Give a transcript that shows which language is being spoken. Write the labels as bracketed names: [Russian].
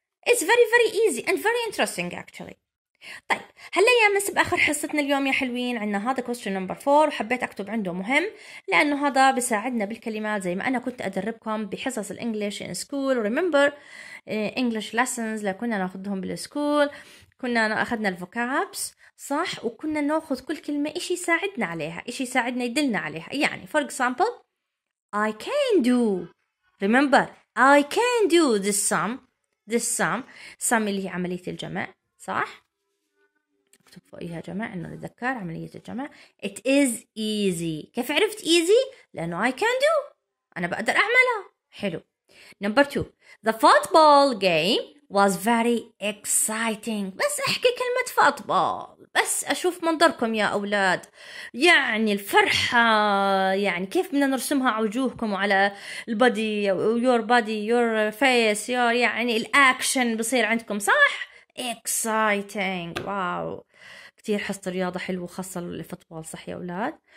[English] It's very very easy and very interesting actually. [Arabic] طيب هلا يا مس بآخر حصتنا اليوم يا حلوين عندنا هذا question number 4 وحبيت أكتب عنده مهم لأنه هذا بساعدنا بالكلمات زي ما أنا كنت أدربكم بحصص الإنجليش [English] in school. remember English lessons [Arabic] اللي كنا نأخذهم بالسكول، كنا أخذنا الفوكابس صح، وكنا نأخذ كل كلمة إيش يساعدنا عليها، إيش يساعدنا يدلنا عليها. يعني [English] for example I can do، remember I can do this sum. this sum sum [Arabic] اللي هي عملية الجمع صح، اكتب فوقيها جمع إنه نتذكر عملية الجمع. [English] it is easy. [Arabic] كيف عرفت easy؟ لأنه [English] I can do، [Arabic] أنا بقدر أعملها. حلو. [English] number two the football game was very exciting. [Arabic] بس احكي كلمة فوتبول بس اشوف منظركم يا اولاد، يعني الفرحة، يعني كيف بدنا نرسمها على وجوهكم وعلى البادي، [English] your body your face your, [Arabic] يعني الاكشن بصير عندكم صح. exciting واو كتير حصة رياضة حلوة خاصة الفوتبول صح يا اولاد.